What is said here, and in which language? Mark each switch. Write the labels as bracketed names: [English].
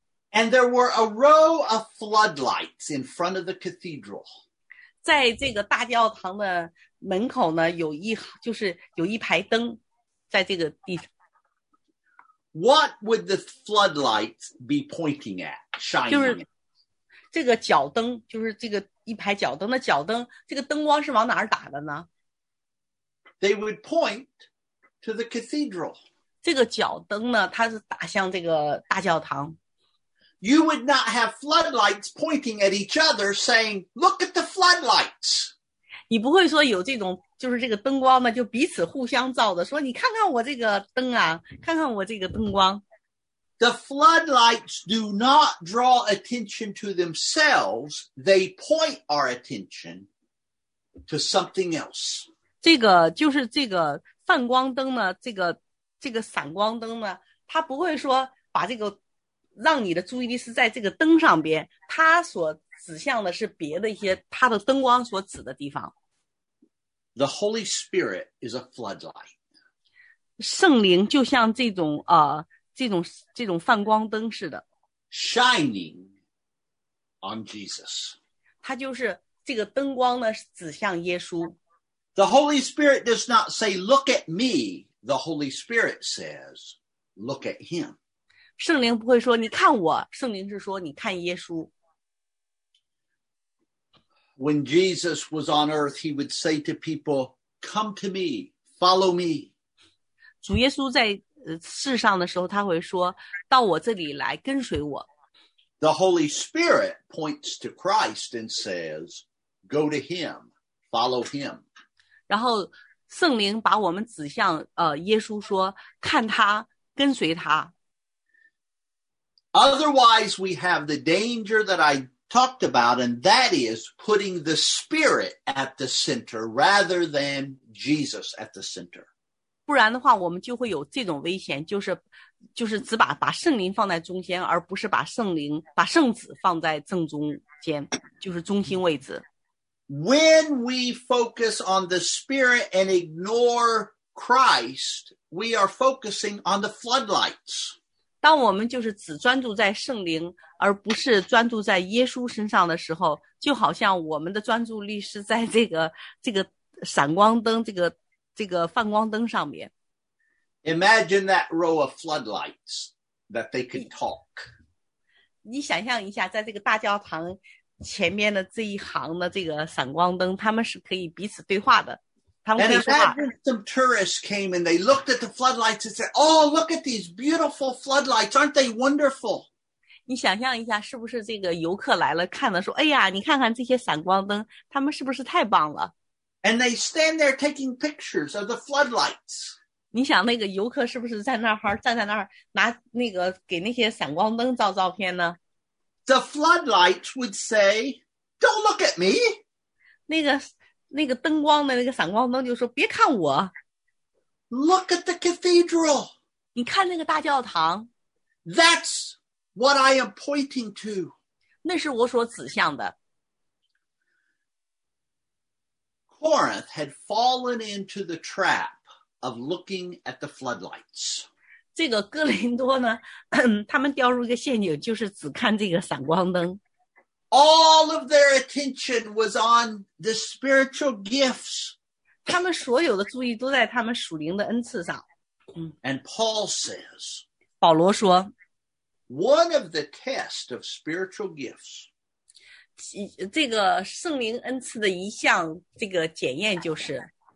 [English] And there were a row of floodlights in front of the cathedral. [Chinese] 在这个大教堂的门口呢，有一排灯在这个地方。 [English] What would the floodlights be pointing at, shining? [Chinese] 就是这个脚灯，就是这个一排脚灯的脚灯，这个灯光是往哪儿打的呢？ [English] They would point to the cathedral. [Chinese] 这个脚灯呢，它是打向这个大教堂。 [English] You would not have floodlights pointing at each other saying, look at the floodlights. [Chinese] 你不会说有这种就是这个灯光嘛，就彼此互相照的，说你看看我这个灯啊，看看我这个灯光。 [English] The floodlights do not draw attention to themselves; they point our attention to something else. [Chinese] 这个就是这个泛光灯呢，这个闪光灯呢，它不会说把这个让你的注意力是在这个灯上边，它所指向的是别的一些它的灯光所指的地方。 [English] The Holy Spirit is a floodlight. [Chinese] 圣灵就像这种泛光灯似的。 [English] Shining on Jesus. [Chinese] 它就是这个灯光呢指向耶稣。 [English] The Holy Spirit does not say, look at me. The Holy Spirit says, look at him. [Chinese] 圣灵不会说你看我，圣灵是说你看耶稣。 [English] When Jesus was on earth, he would say to people, come to me, follow me. [Chinese] 主耶稣在世上的时候，他会说，到我这里来，跟随我。 [English] The Holy Spirit points to Christ and says, go to him, follow him. [Chinese] 然后圣灵把我们指向耶稣说，看他，跟随他。 [English] Otherwise, we have the danger that I talked about, and that is putting the Spirit at the center rather than Jesus at the center. [Chinese] 不然的话，我们就会有这种危险，就是只把圣灵放在中间，而不是把圣子放在正中间，就是中心位置。 [English] When we focus on the Spirit and ignore Christ, we are focusing on the floodlights. [Chinese] 当我们就是只专注在圣灵而不是专注在耶稣身上的时候，就好像我们的专注力是在这个闪光灯，这个泛光灯上面。 [English] Imagine that row of floodlights that they can talk. [Chinese] 你想象一下，在这个大教堂前面的这一行的这个闪光灯，他们是可以彼此对话的。 [English] And imagine some tourists came and they looked at the floodlights and said, oh, look at these beautiful floodlights. Aren't they wonderful? [Chinese] 你想象一下是不是这个游客来了看了说哎呀你看看这些闪光灯他们是不是太棒了。 [English] And they stand there taking pictures of the floodlights. [Chinese] 你想那个游客是不是在那儿站在那儿拿那个给那些闪光灯照照片呢 [English] ?The floodlights would say, don't look at me. [Chinese] 那个灯光的那个闪光灯就说别看我。 [English] Look at the cathedral. [Chinese] 你看那个大教堂。 [English] That's what I am pointing to. [Chinese] 那是我所指向的。 [English] Corinth had fallen into the trap of looking at the floodlights. [Chinese] 这个哥林多呢，他们掉入一个陷阱，就是只看这个闪光灯。 [English] All of their attention was on the spiritual gifts. [Chinese] 他们所有的注意都在他们属灵的恩赐上。 [English] And Paul says, [Chinese] 保罗说， [English] One of the tests of spiritual gifts, [Chinese] 这个圣灵恩赐的一项这个检验就是，